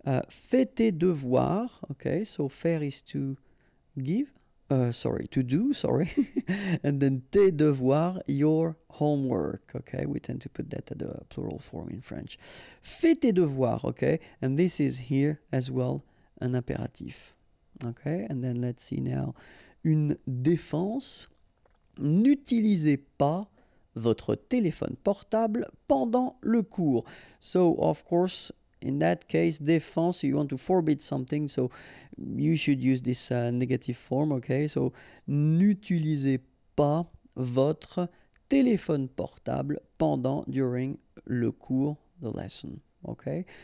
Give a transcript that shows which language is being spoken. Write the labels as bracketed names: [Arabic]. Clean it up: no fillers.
[French] Fais tes devoirs, [English] okay? So, faire is to give, to do. And then [French] tes devoirs, [English] your homework, okay? We tend to put that at the plural form in French. [French] Fais tes devoirs, [English] okay? And this is here as well, an impératif, okay? And then let's see now, une défense. [French] N'utilisez pas votre téléphone portable pendant le cours. [English] So, of course, in that case, défense, you want to forbid something, so you should use this negative form, okay? So, [French] n'utilisez pas votre téléphone portable pendant, [English] during, [French] le cours, [English] the lesson, okay?